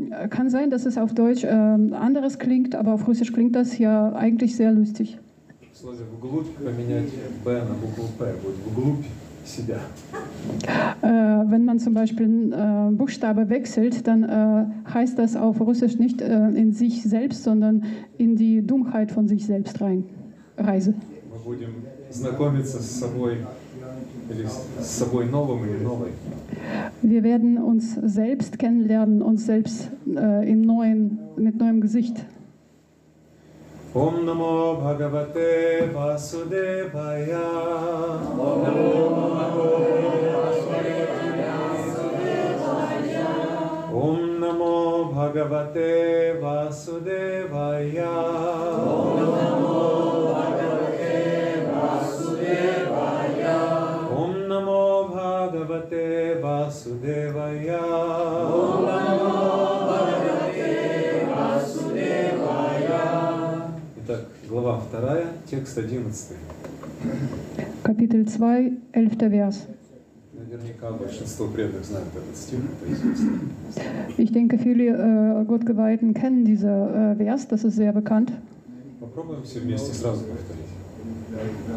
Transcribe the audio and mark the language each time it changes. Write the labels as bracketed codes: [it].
[de] Kann sein, dass es auf Deutsch anderes klingt, aber auf Russisch klingt das ja eigentlich sehr lustig. [ru] Слово «вглубь» поменять «б» на букву «п» будет «вглубь». Себя. [de] Wenn man zum Beispiel Buchstabe wechselt, dann heißt das auf Russisch nicht in sich selbst, sondern in die Dummheit von sich selbst rein. Reise. [ru] Мы будем знакомиться с собой, или с собой новым или новой. [de] Wir werden uns selbst kennenlernen, uns selbst im neuen, mit neuem Gesicht. [sa] Om namo bhagavate vasudevaya. Om namo vasudevaya. Om namo bhagavate vasudevaya. Om namo bhagavate vasudevaya. Om namo bhagavate vasudevaya. Om namo bhagavate vasudevaya. [ru] Итак, глава 2, текст 11. [de] Капитель 2, 11 верс. [ru] Наверняка большинство преданных знают этот стих, это известно. [de] Ich denke, viele Gottgeweihten kennen dieser Vers, das ist sehr bekannt. [ru] Попробуем все вместе сразу повторить.